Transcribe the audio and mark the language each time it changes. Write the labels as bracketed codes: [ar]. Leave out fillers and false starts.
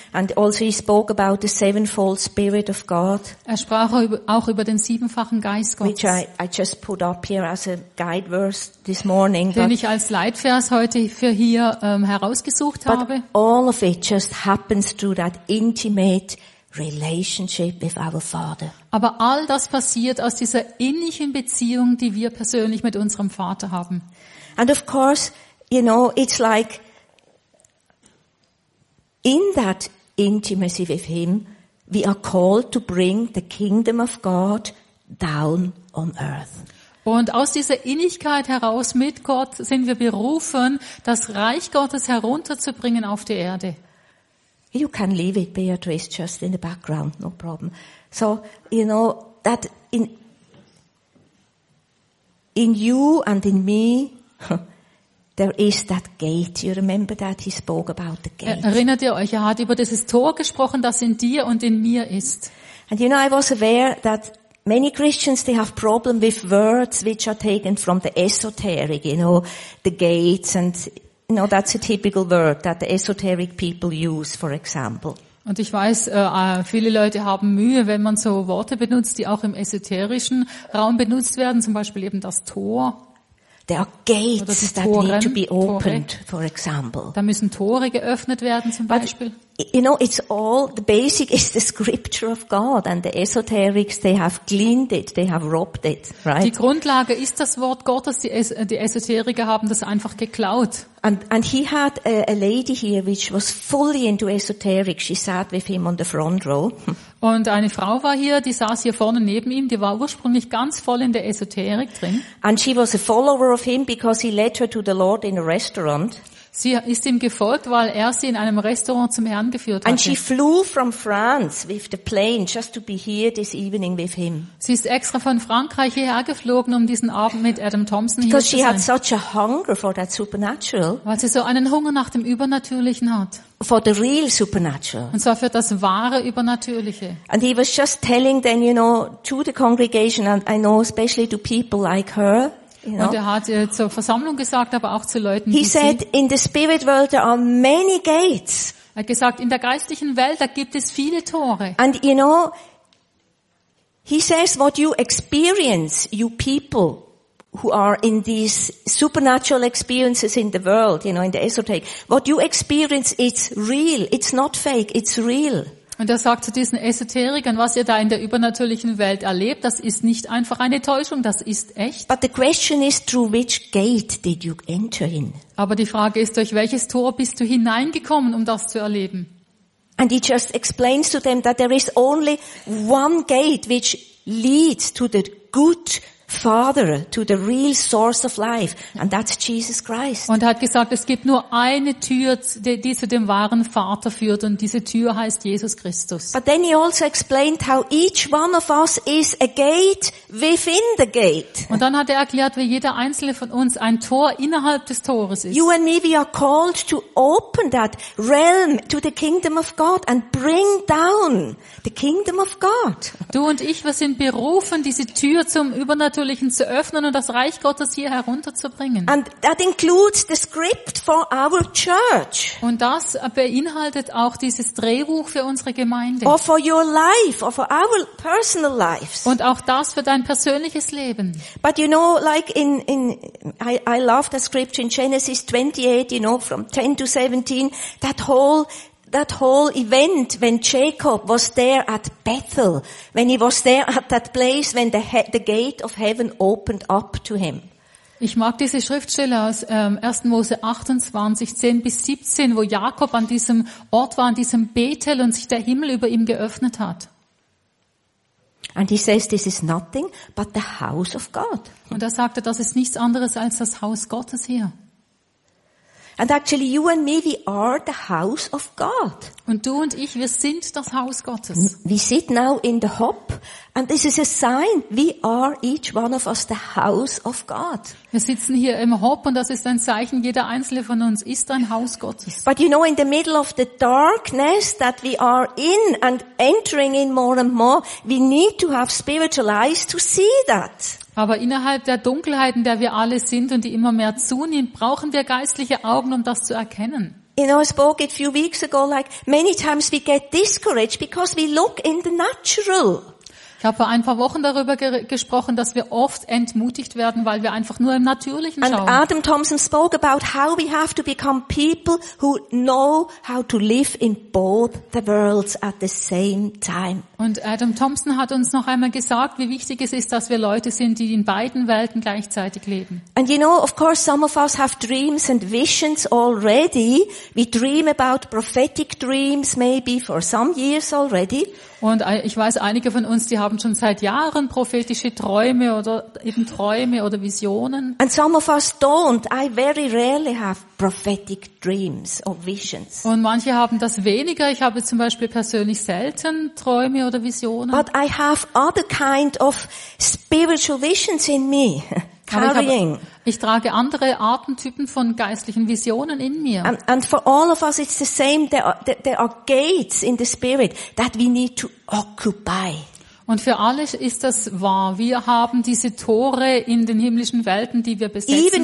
[en] And also he spoke about the sevenfold spirit of God. [de] Er sprach auch über den siebenfachen Geist Gottes. [en] Which I just put up here as a guide verse this morning. [de] Den ich als Leitvers heute für hier herausgesucht habe. [en] But all of it just happens through that intimate relationship with our Father. [de] Aber all das passiert aus dieser innigen Beziehung, die wir persönlich mit unserem Vater haben. [en] And of course, you know, it's like in that intimacy with him, we are called to bring the kingdom of God down on earth. [de] Und aus dieser Innigkeit heraus mit Gott sind wir berufen, das Reich Gottes herunterzubringen auf die Erde. [en] You can leave it, Beatrice, just in the background, no problem. So, you know, that in you and in me, there is that gate. You remember that he spoke about the gate. [de] Erinnert ihr euch, er hat über dieses Tor gesprochen, das in dir und in mir ist. [en] And you know, I was aware that many Christians, they have problem with words which are taken from the esoteric, you know, the gates and... No, that's a typical word that the esoteric people use, for example. [de] Und ich weiß, viele Leute haben Mühe, wenn man so Worte benutzt, die auch im esoterischen Raum benutzt werden, zum Beispiel eben das Tor. [en] There are gates that need to be opened, for example. [de] Da müssen Tore geöffnet werden, zum Beispiel. [en] But, you know, it's all, the basic is the scripture of God and the esoterics, they have gleaned it, they have robbed it, right? [de] Die Grundlage ist das Wort Gottes, die Esoteriker haben das einfach geklaut. [en] And he had a lady here which was fully into esoteric, she sat with him on the front row. [de] Und eine Frau war hier, die saß hier vorne neben ihm, die war ursprünglich ganz voll in der Esoterik drin. [en] And she was a follower of him because he led her to the Lord in a restaurant. [de] Sie ist ihm gefolgt, weil er sie in einem Restaurant zum Herrn geführt hat. [en] And she flew from France with the plane just to be here this evening with him. [de] Sie ist extra von Frankreich hierher geflogen, um diesen Abend mit Adam Thompson hier zu sein. [en] Because she had such a hunger for that supernatural. [de] Weil sie so einen Hunger nach dem Übernatürlichen hat. [en] For the real supernatural. [de] Und zwar für das wahre Übernatürliche. [en] And he was just telling then, you know, to the congregation, and I know especially to people like her. You know? [de] Und er hat zur Versammlung gesagt, aber auch zu Leuten, [en] he said, in the spirit world there are many gates. [de] Er hat gesagt, in der geistlichen Welt, da gibt es viele Tore. [en] And you know, he says, what you experience, you people who are in these supernatural experiences in the world, you know, in the esoteric, what you experience, it's real. It's not fake, it's real. [de] Und er sagt zu diesen Esoterikern, was ihr da in der übernatürlichen Welt erlebt, das ist nicht einfach eine Täuschung, das ist echt. [en] But the question is, through which gate did you enter in? [de] Aber die Frage ist, durch welches Tor bist du hineingekommen, um das zu erleben? [en] And he just explains to them that there is only one gate which leads to the good Father, to the real source of life, and that's Jesus Christ. [de] Und er hat gesagt, es gibt nur eine Tür, die zu dem wahren Vater führt, und diese Tür heißt Jesus Christus. [en] But then he also explained how each one of us is a gate within the gate. [de] Und dann hat er erklärt, wie jeder einzelne von uns ein Tor innerhalb des Tores ist. [en] You and me, we are called to open that realm to the kingdom of God and bring down the kingdom of God. [de] Du und ich, wir sind berufen, diese Tür zum Übernatürlichen zu öffnen und das Reich Gottes hier herunterzubringen. [en] And that includes the script for our church. [de] Und das beinhaltet auch dieses Drehbuch für unsere Gemeinde. [en] Or for your life, or for our personal lives. [de] Und auch das für dein persönliches Leben. [en] But you know, like in I love the script in Genesis 28, you know, from 10 to 17, that whole event when Jacob was there at Bethel, when he was there at that place when the gate of heaven opened up to him. [de] Ich mag diese Schriftstelle aus 1. Mose 28, 10 bis 17, wo Jakob an diesem Ort war, an diesem Bethel, und sich der Himmel über ihm geöffnet hat. [en] And he says, this is nothing but the house of God. [de] Und er sagte, das ist nichts anderes als das Haus Gottes hier. [en] And actually, you and me, we are the house of God. [de] Und du und ich, wir sind das Haus Gottes. [en] We sit now in the hop, and this is a sign. We are each one of us the house of God. [de] Wir sitzen hier im Hop, und das ist ein Zeichen. Jeder einzelne von uns ist ein Haus Gottes. [en] But you know, in the middle of the darkness that we are in and entering in more and more, we need to have spiritual eyes to see that. [de] Aber innerhalb der Dunkelheit, in der wir alle sind und die immer mehr zunimmt, brauchen wir geistliche Augen, um das zu erkennen. [en] You know, I spoke it a few weeks ago, like many times we get discouraged because we look in the natural. [de] Ich habe vor ein paar Wochen darüber gesprochen, dass wir oft entmutigt werden, weil wir einfach nur im Natürlichen schauen. [en] And Adam Thompson spoke about how we have to become people who know how to live in both the worlds at the same time. [de] Und Adam Thompson hat uns noch einmal gesagt, wie wichtig es ist, dass wir Leute sind, die in beiden Welten gleichzeitig leben. [en] And you know, of course, some of us have dreams and visions already. We dream about prophetic dreams maybe for some years already. [de] Und ich weiß, einige von uns, die haben schon seit Jahren prophetische Träume oder eben Träume oder Visionen. [en] And some of us don't. I very rarely have prophetic dreams or visions. [de] Und manche haben das weniger. Ich habe zum Beispiel persönlich selten Träume oder Visionen. [en] But I have other kind of spiritual visions in me. [de] Ich trage andere Arten, Typen von geistlichen Visionen in mir. [en] And for all of us it's the same, there are gates in the spirit that we need to occupy. [de] Und für alle ist das wahr. Wir haben diese Tore in den himmlischen Welten, die wir besetzen müssen.